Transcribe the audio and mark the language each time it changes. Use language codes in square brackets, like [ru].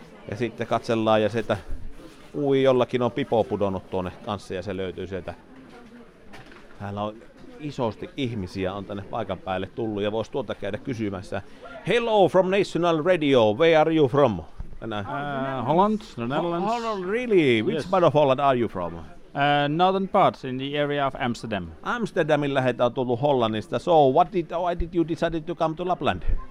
[fi] Ja sitten katsellaan ja sieltä ui jollakin on pipo pudonnut tuonne kanssa ja se löytyy sieltä. Täällä on isosti ihmisiä on tänne paikan päälle tullut ja voisi tuolta käydä kysymässä. [en] Hello from National Radio, where are you from? Holland, the Netherlands. Holland, really? Which part of Holland are you from? Northern part, in the area of Amsterdam. [fi] Amsterdamin lähetä on tullut Hollannista. [en] So, why did you decide to come to Lapland?